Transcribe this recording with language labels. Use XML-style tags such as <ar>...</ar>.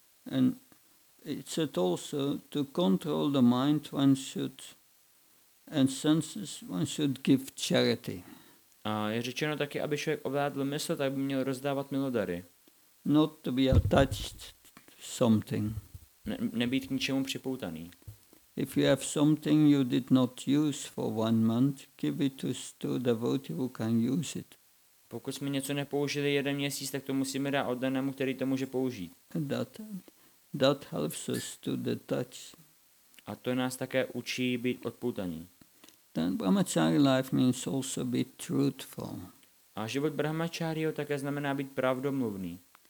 <en>And it's also to control the mind one should and senses one should give charity.</en> <cs>A je řečeno taky, aby člověk ovládl mysl, tak by měl rozdávat milodary.</cs> <en>Not to be attached to something.</en> <cs>Nebýt k ničemu připoutaný.</cs> <en>If you have something you did not use for one month, give it to a devotee who can use it.</en> <cs>Pokud jsme něco nepoužili jeden měsíc, tak to musíme dát oddanému, který to může použít.</cs> <en>That helps us to detach.</en> <cs>A to nás také učí být odpoutaní.</cs> <en>Then brahmachari life means also be truthful.</en> <cs>A život brahmacharyho také znamená být pravdomluvný.</cs>